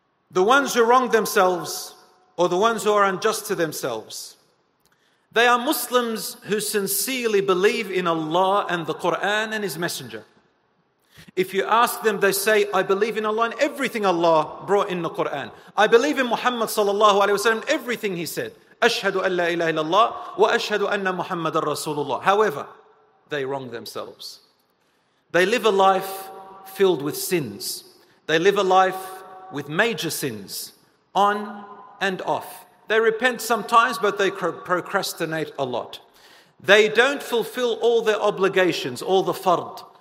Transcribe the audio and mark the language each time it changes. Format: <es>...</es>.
<en>The ones who wrong themselves, or the ones who are unjust to themselves. They are Muslims who sincerely believe in Allah and the Quran and His Messenger. If you ask them, they say, I believe in Allah and everything Allah brought in the Quran. I believe in Muhammad sallallahu alaihi wasallam, everything he said.</en> <ar>أشهد أن لا إله إلا الله وأشهد أن محمد رسول الله.</ar> <en>However, they wrong themselves. They live a life filled with sins. They live a life with major sins, on and off. They repent sometimes, but they procrastinate a lot. They don't fulfill all their obligations, all the fard.</en>